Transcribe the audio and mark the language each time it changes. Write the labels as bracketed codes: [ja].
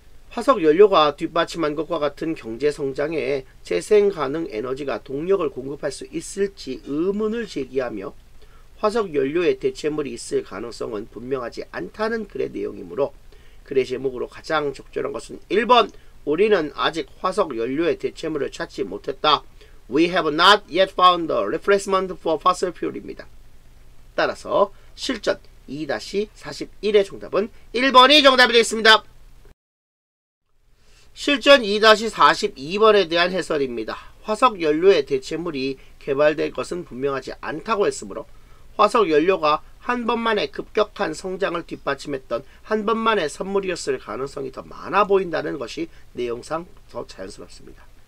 [ko] 화석 연료가 뒷받침한 것과 같은 경제 성장에 재생 가능 에너지가 동력을 공급할 수 있을지 의문을 제기하며 화석 연료의 대체물이 있을 가능성은 분명하지 않다는 글의 내용이므로 글의 제목으로 가장 적절한 것은 1번 우리는 아직 화석 연료의 대체물을 찾지 못했다. [en] We have not yet found a replacement for fossil fuel입니다. [ko] 따라서 실전 2-41의 정답은 1번이 정답이 되겠습니다. 실전 2-42번에 대한 해설입니다. 화석 연료의 대체물이 개발될 것은 분명하지 않다고 했으므로 화석 연료가 한 번만의 급격한 성장을 뒷받침했던 한 번만의 선물이었을 가능성이 더 많아 보인다는 것이 내용상 더 자연스럽습니다.